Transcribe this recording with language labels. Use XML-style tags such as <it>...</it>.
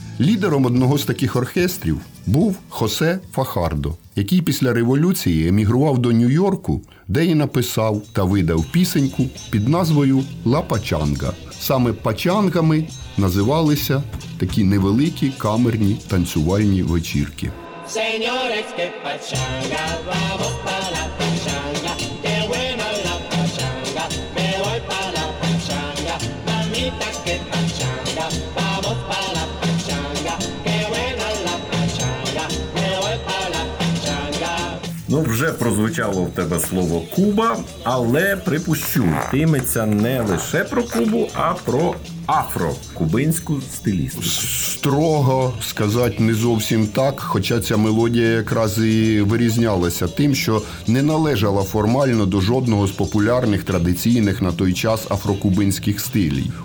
<uk>Лідером одного з таких оркестрів був Хосе Фахардо, який після революції емігрував до Нью-Йорку, де і написав та видав пісеньку під назвою «Ла Пачанга». Саме пачангами називалися такі невеликі камерні танцювальні вечірки.</uk> <es>Señores, que pachanga, vamos pa la pachanga, que buena la pachanga, me voy pa la pachanga, mamita, que pachanga, vamos pa la pachanga, que buena la pachanga, me voy pa la pachanga.</es> <uk>Ну, вже прозвучало в тебе слово «Куба», але, припущу, тиметься не лише про Кубу, а про афро-кубинську стилістику. Строго сказати не зовсім так, хоча ця мелодія якраз і вирізнялася тим, що не належала формально до жодного з популярних традиційних на той час афро-кубинських стилів.</uk>